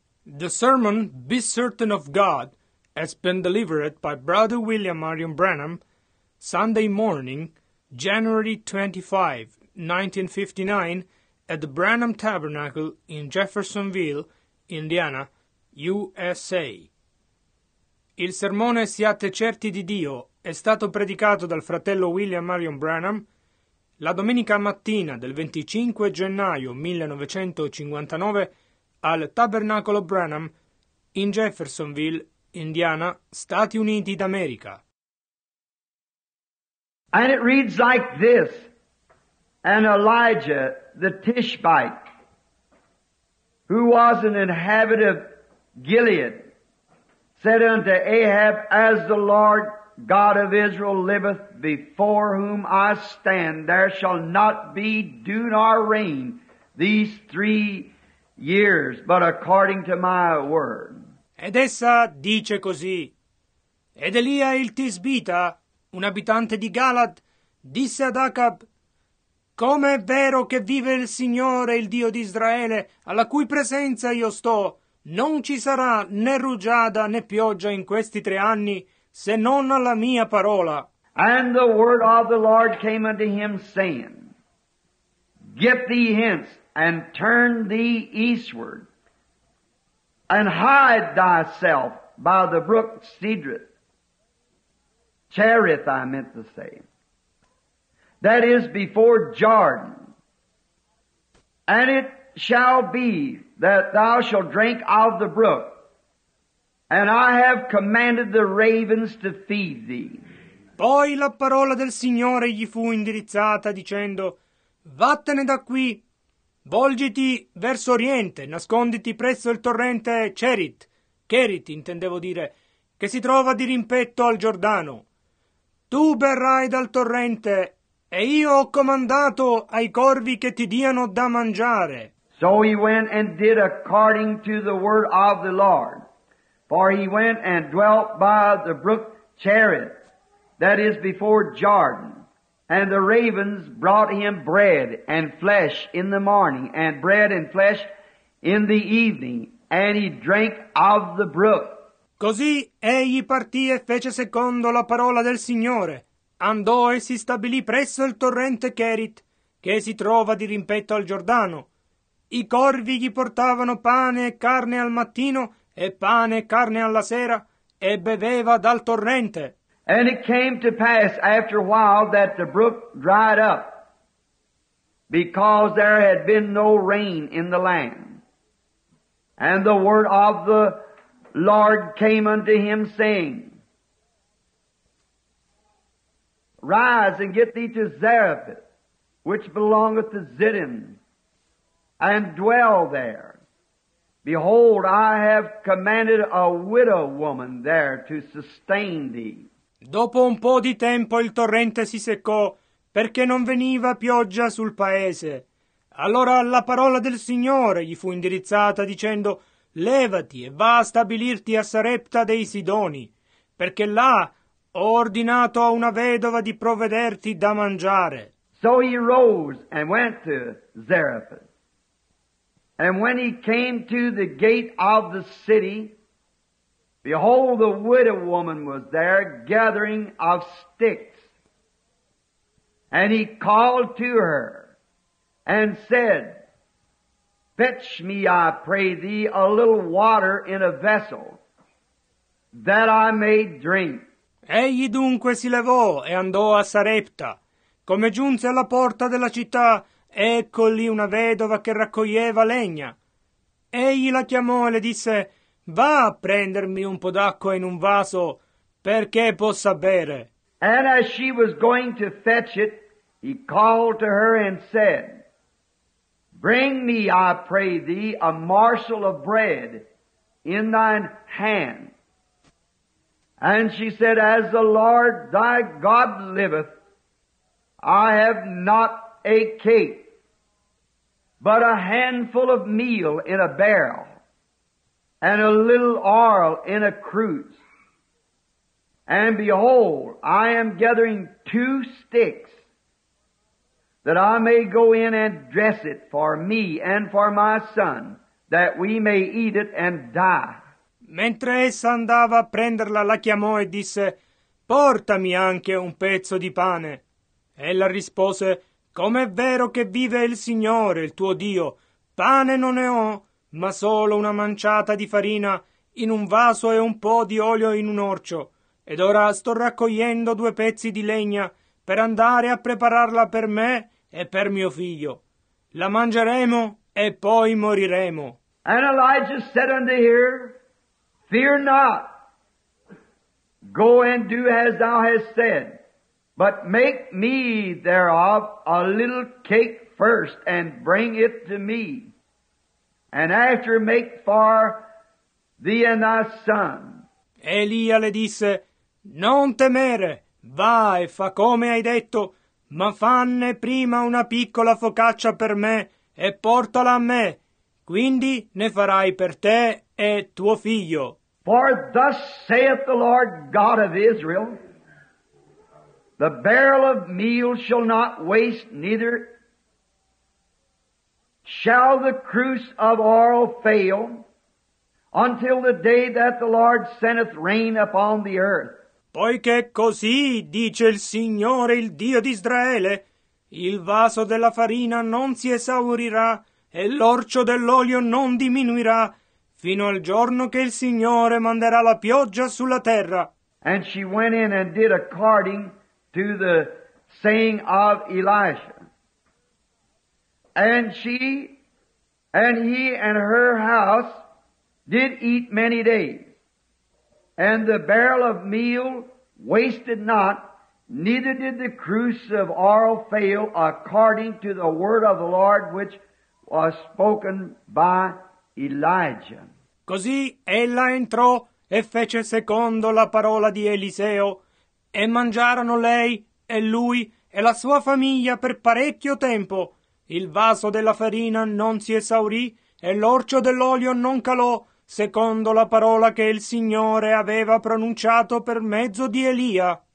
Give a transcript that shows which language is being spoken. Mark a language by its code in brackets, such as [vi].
[en] The sermon, Be Certain of God, has been delivered by Brother William Marion Branham, Sunday morning, January 25, 1959, at the Branham Tabernacle in Jeffersonville, Indiana, USA. [it] Il sermone Siate Certi di Dio è stato predicato dal fratello William Marion Branham la domenica mattina del 25 gennaio 1959 al Tabernacolo Branham in Jeffersonville, Indiana, Stati Uniti d'America. [en] And it reads like this, and Elijah the Tishbite, who was an inhabitant of Gilead, said unto Ahab, as the Lord God of Israel liveth, before whom I stand, there shall not be dew nor rain these 3 years, but according to my word. [it] Ed essa dice così. Ed Elia il Tisbita, un abitante di Galat, disse ad Acab, come è vero che vive il Signore, il Dio di Israele, alla cui presenza io sto, non ci sarà né rugiada né pioggia in questi 3 anni, se non alla mia parola. [en] And the word of the Lord came unto him, saying, get thee hence, and turn thee eastward, and hide thyself by the brook Cedrith, Cherith, I meant to say, that is before Jordan. And it shall be that thou shalt drink of the brook, and I have commanded the ravens to feed thee. [it] Poi la parola del Signore gli fu indirizzata, dicendo, vattene da qui, volgiti verso oriente, nasconditi presso il torrente Cherit, intendevo dire, che si trova di rimpetto al Giordano. Tu berrai dal torrente, e io ho comandato ai corvi che ti diano da mangiare. [en] So he went and did according to the word of the Lord, for he went and dwelt by the brook Cherith, that is before Jordan. And the ravens brought him bread and flesh in the morning, and bread and flesh in the evening, and he drank of the brook. [it] Così egli partì e fece secondo la parola del Signore. Andò e si stabilì presso il torrente Cherith, che si trova di rimpetto al Giordano. I corvi gli portavano pane e carne al mattino, e pane e carne alla sera, e beveva dal torrente. [en] And it came to pass after a while that the brook dried up, because there had been no rain in the land. And the word of the Lord came unto him, saying, rise and get thee to Zarephath, which belongeth to Zidon, and dwell there. Behold, I have commanded a widow woman there to sustain thee. [it] Dopo un po' di tempo il torrente si seccò, perché non veniva pioggia sul paese. Allora la parola del Signore gli fu indirizzata, dicendo, levati e va a stabilirti a Sarepta dei Sidoni, perché là ho ordinato a una vedova di provvederti da mangiare. [en] So he rose and went to Zarephath. And when he came to the gate of the city, behold, the widow woman was there gathering of sticks. And he called to her and said, fetch me, I pray thee, a little water in a vessel, that I may drink. [it] Egli dunque si levò e andò a Sarepta. Come giunse alla porta della città, ecco lì una vedova che raccoglieva legna. Egli la chiamò e le disse, va a prendermi un po' d'acqua in un vaso, perché possa bere. [en] And as she was going to fetch it, he called to her and said, bring me, I pray thee, a morsel of bread in thine hand. And she said, as the Lord thy God liveth, I have not a cake, but a handful of meal in a barrel, and a little oil in a cruse. And behold, I am gathering 2 sticks, that I may go in and dress it for me and for my son, that we may eat it and die. [it] Mentre essa andava a prenderla, la chiamò e disse, «Portami anche un pezzo di pane!» Ella rispose, «Com'è vero che vive il Signore, il tuo Dio! Pane non ne ho, ma solo una manciata di farina in un vaso e un po' di olio in un orcio. Ed ora sto raccogliendo due pezzi di legna per andare a prepararla per me e per mio figlio. La mangeremo e poi moriremo». [en] And Elijah said unto her, Fear not, go and do as thou hast said, but make me thereof a little cake first, and bring it to me, and after make for thee and thy son. [it] Elia le disse, Non temere, va e fa come hai detto, ma fanne prima una piccola focaccia per me, e portala a me, quindi ne farai per te e tuo figlio. [en] For thus saith the Lord God of Israel, The barrel of meal shall not waste, neither shall the cruse of oil fail, until the day that the Lord sendeth rain upon the earth. [it] Poiché così dice il Signore, il Dio di Israele, il vaso della farina non si esaurirà e l'orcio dell'olio non diminuirà fino al giorno che il Signore manderà la pioggia sulla terra. [en] And she went in and did according to the saying of Elisha. And she and he and her house did eat many days. And the barrel of meal wasted not, neither did the cruse of oil fail, according to the word of the Lord which was spoken by Elijah. [it] Così ella entrò e fece secondo la parola di Eliseo, e mangiarono lei e lui e la sua famiglia per parecchio tempo. Il vaso della farina non si esaurì e l'orcio dell'olio non calò, secondo la parola che il Signore aveva pronunciato per mezzo di Elia.